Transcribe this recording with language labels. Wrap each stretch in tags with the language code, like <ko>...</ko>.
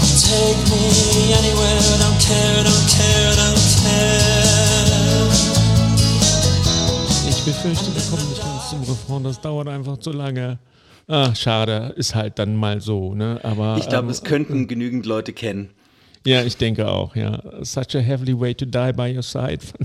<en>Take me anywhere, don't care, don't care, don't care.</en> <de>Ich befürchte, wir kommen nicht ganz zum Refrain, das dauert einfach zu lange. Ach, schade, ist halt dann mal so, ne? Aber ich glaube, es könnten genügend Leute kennen. Ja, ich denke auch, ja.</de> <en>Such a heavenly way to die by your side.</en>